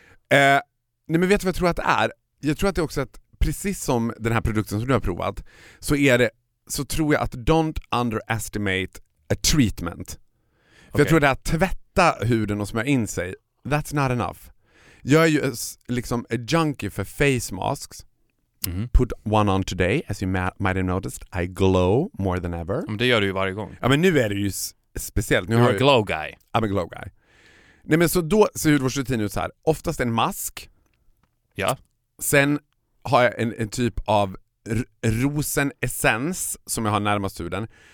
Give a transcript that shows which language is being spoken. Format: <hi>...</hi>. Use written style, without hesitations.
<sv>Nej, men vet du vad jag tror att det är? Jag tror att det är också att precis som den här produkten som du har provat, så är det, så tror jag att</sv> <en>don't underestimate a treatment.</en> <sv>För okay. Jag tror det är att tvätta huden och smörja in sig.</sv> <en>That's not enough.</en> <sv>Jag är ju liksom</sv> <en>a junkie</en> <sv>för face masks. Mm-hmm.</sv> <en>Put one on today, as you might have noticed. I glow more than ever.</en> <sv>Men det gör du ju varje gång. Ja, men nu är det ju speciellt. Nu</sv> <en>You're a glow guy. I'm a glow guy.</en> <sv>Nej, men så då ser hudvårdsrutin ut så här. Oftast en mask. Ja. Sen har jag en typ av rosenessens som jag har närmast huden.</sv>